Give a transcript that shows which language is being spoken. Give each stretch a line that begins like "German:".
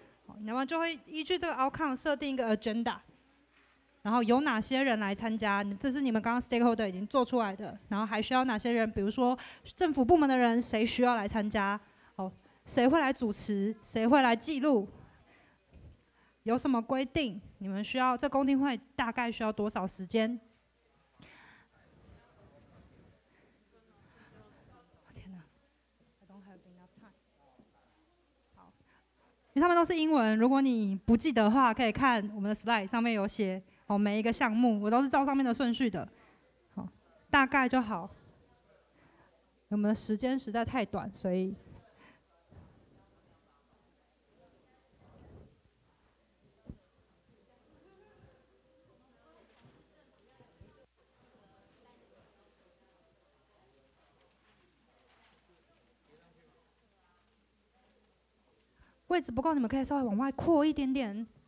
Chinese: 哦，那么就会依据这个 outcome 设定一个 agenda。然后有哪些人来参加，这是你们刚刚 stakeholder 已经做出来的，然后还需要哪些人，比如说政府部门的人谁需要来参加，哦，谁会来主持，谁会来记录，有什么规定，你们需要这公听会大概需要多少时间。天哪，
English: I don't have enough time。
Chinese: 好，因为他们都是英文，如果你不记得的话可以看我们的 slide 上面有写哦，每一个项目我都是照上面的顺序的，哦，大概就好。我们的时间实在太短，所以位置不够，你们可以稍微往外扩一点点。